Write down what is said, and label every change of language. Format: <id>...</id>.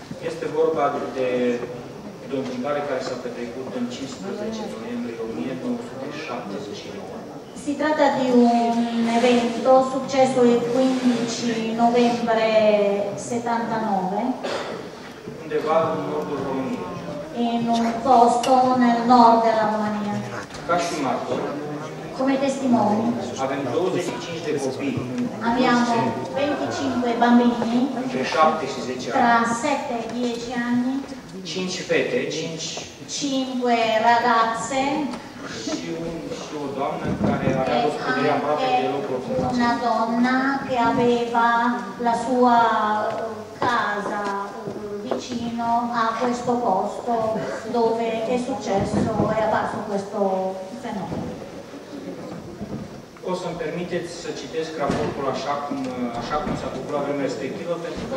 <ro>Este vorba de un tribunal care s-a petrecut în 15 noiembrie 1979.</ro> <it>Si tratta di un evento successo il 15 novembre 79.</it> <ro>Undeva în nordul României.</ro> <it>In un posto nel nord della Romania.</it> <ro>Ca și martor.</ro> <it>Come testimoni.</it> <ro>Avem 25 de copii.</ro> <it>Abbiamo 25 bambini. Tra 7 e 10 anni. Tra 7 e 10 anni.</it> <ro>5 fete, 5.</ro> <it>5 ragazze.</it> <ro>Și o doamnă care a avut studierea aproape de locul formației.</ro> <it>Una donna che aveva la sua casa vicino a questo posto dove è successo, è apparso questo fenomeno.</it> <ro>O să-mi permiteți să citesc raportul așa cum s-a făcut la vremea respectivă, pentru că</ro>